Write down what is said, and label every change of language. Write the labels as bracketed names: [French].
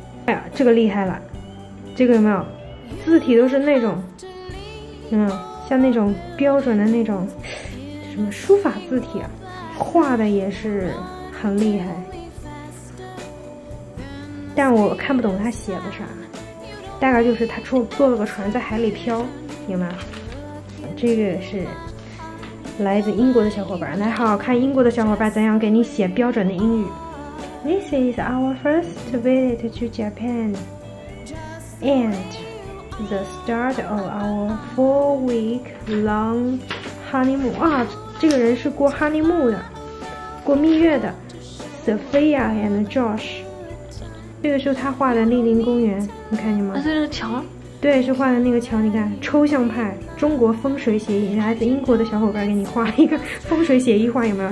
[Chinese] 哎呀，这个厉害了，这个有没有字体都是那种像那种标准的那种什么书法字体啊，画的也是很厉害，但我看不懂他写的啥，大概就是他坐了个船在海里飘，有吗？这个是来自英国的小伙伴，来好好看英国的小伙伴怎样给你写标准的英语。 [English] This is our first visit to Japan and the start of our 4-week long honeymoon。 [Chinese] 哇，这个人是过 honeymoon 的，过蜜月的 Sophia and Josh。这个是他画的丽林公园，你看见吗？是那个桥。对，是画的那个桥，你看，抽象派中国风水写意，来自英国的小伙伴给你画一个风水写意画，有没有？